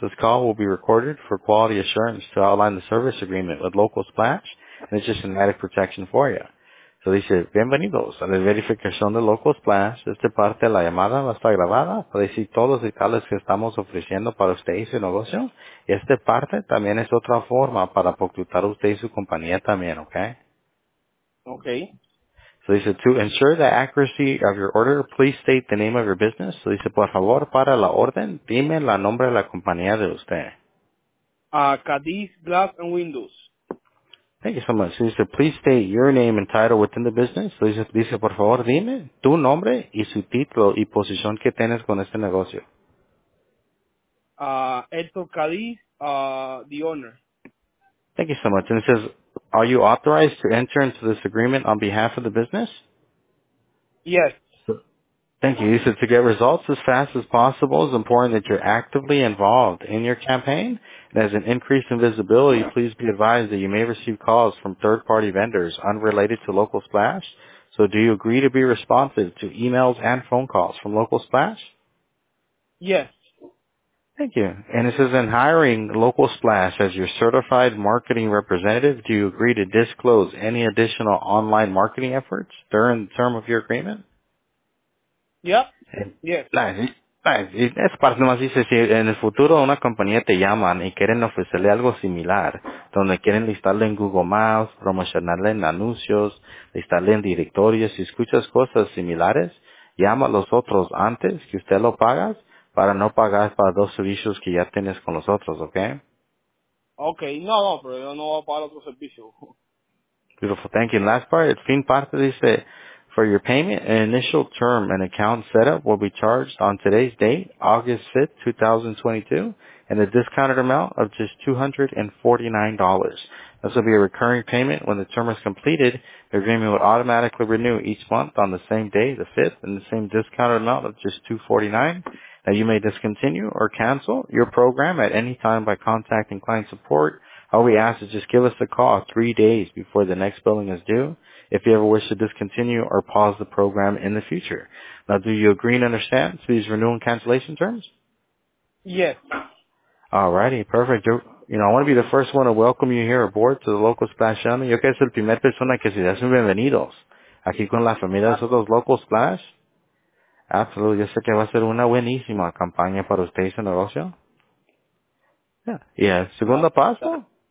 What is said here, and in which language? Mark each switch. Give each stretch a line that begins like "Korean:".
English: This call will be recorded for quality assurance to outline the service agreement with Local Splash, and it's just an added protection for you. So he said,
Spanish: bienvenidos a la verificación de Local Splash. Esta parte de la llamada va a estar grabada para decir todos los detalles que estamos ofreciendo para usted y su negocio. Y esta parte también es otra forma para facilitar a usted y su compañía también, ¿ok? Ok.
English: So he said, to ensure the accuracy of your order, please state the name of your business. So he said,
Spanish: por favor, para la orden, dime el nombre de la compañía de usted.
English: Cadiz Glass and Windows. Thank you so much. So he said, please state your name and title within the business. So he said,
Spanish: dice, por favor, dime tu nombre y su título y posición que tienes con este negocio.
English: Héctor Cadiz, the owner. Thank you so much. And it says, are you authorized to enter into this agreement on behalf of the business? Yes. Thank you. He said, to get results as fast as possible, it's important that you're actively involved in your campaign. And as an increase in visibility, please be advised that you may receive calls from third-party vendors unrelated to Local Splash. So do you agree to be responsive to emails and phone calls from Local Splash? Yes. Thank you. And it says, in hiring Local Splash as your certified marketing representative, do you agree to disclose any additional online marketing efforts during the term of your agreement? Yep. Yes.
Spanish: Es parte más, dice, si en el futuro una compañía te llaman y quieren ofrecerle algo similar, donde quieren listarle en Google Maps, promocionarle en anuncios, listarle en directorios, si escuchas cosas similares, llama a los otros antes que usted lo pagas, para no pagar para dos servicios que ya tienes con los otros, ¿ok? Ok, no, no, pero yo no voy a pagar otro servicio.
English: Beautiful, thank you. And last part,
Spanish: el fin parte dice,
English: for your payment, an initial term and account setup will be charged on today's date, August 5th, 2022, and a discounted amount of just $249. This will be a recurring payment. When the term is completed, the agreement will automatically renew each month on the same day, the 5th, and the same discounted amount of just $249. Now, you may discontinue or cancel your program at any time by contacting client support. All we ask is just give us a call 3 days before the next billing is due if you ever wish to discontinue or pause the program in the future. Now, do you agree and understand these renewal and cancellation terms? Yes. Alrighty, perfect. You know, I want to be the first one to welcome you here aboard to the Local Splash Channel.
Spanish: Yo quiero ser la primera persona que se hacen bienvenidos aquí con la familia de nosotros, Local Splash.
English: Absolutely.
Spanish: Yo sé que va a ser una buenísima campaña para usted y su negocio.
English: Yeah.
Spanish: Segundo paso.